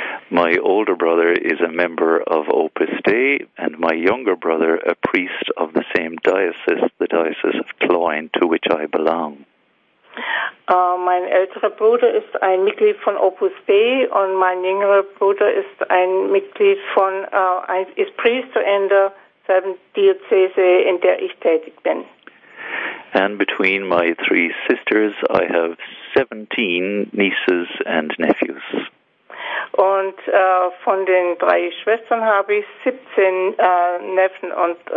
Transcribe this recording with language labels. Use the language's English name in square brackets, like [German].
[English] My older brother is a member of Opus Dei, and my younger brother a priest of the same diocese, the Diocese of Cloyne, to which I belong. [German] Mein älterer Bruder ist ein Mitglied von Opus Dei, und mein jüngerer Bruder ist ein Mitglied von ist Priester in der selben Diözese, in der ich tätig bin. [English] And between my three sisters, I have 17 nieces and nephews. [German] Und von den drei Schwestern habe ich 17 Neffen und